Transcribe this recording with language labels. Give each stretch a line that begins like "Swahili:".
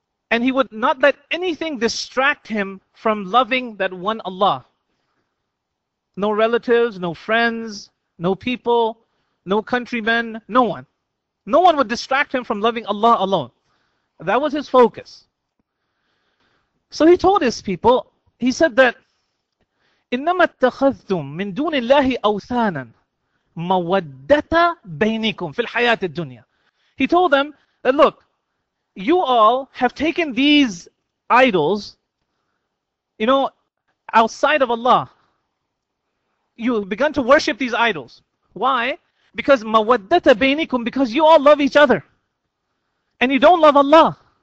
English: And he would not let anything distract him from loving that one Allah. No relatives, no friends, no people, no countrymen, no one. No one would distract him from loving Allah alone. That was his focus. So he told his people, he said that,
Arabic: إِنَّمَا اتَّخَذْتُمْ مِن دُونِ اللَّهِ أَوْثَانًا مَوَدَّتَ بَيْنِكُمْ فِي الْحَيَاةِ الدُّنْيَا.
English: He told them that, look, you all have taken these idols, you know, outside of Allah. You have begun to worship these idols. Why? Because
Arabic: مَوَدَّتَ بَيْنِكُمْ,
English: because you all love each other. And you don't love Allah.